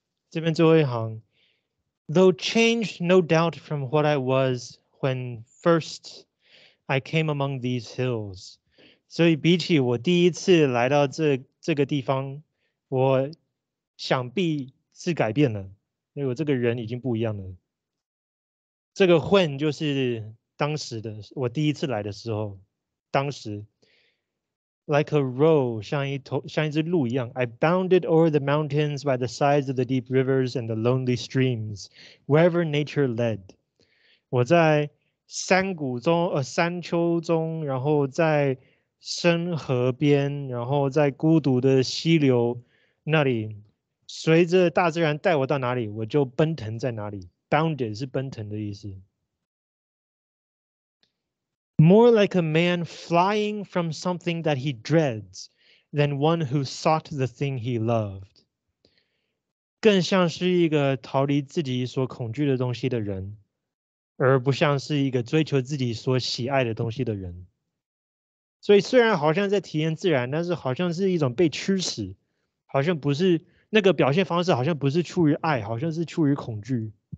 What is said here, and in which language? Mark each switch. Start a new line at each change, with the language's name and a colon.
Chinese: 这边最后一行，
English: Though changed no doubt from what I was when first I came among these hills.
Chinese: 所以比起我第一次来到这个地方，我想必是改变了，因为我这个人已经不一样了。这个 when 就是当时的，我第一次来的时候，当时
English: like a roe
Chinese: 像一只鹿一样，
English: I bounded over the mountains by the sides of the deep rivers and the lonely streams wherever nature led.
Chinese: 我在山丘中，然后在深河边，然后在孤独的溪流那里，随着大自然带我到哪里，我就奔腾在哪里。 Bounded 是奔腾的意思。
English: More like a man flying from something that he dreads than one who sought the thing he loved.
Chinese: 更像是一个逃离自己所恐惧的东西的人，而不像是一个追求自己所喜爱的东西的人。所以虽然好像在体验自然，但是好像是一种被驱使，好像不是那个表现方式，好像不是出于爱，好像是出于恐惧。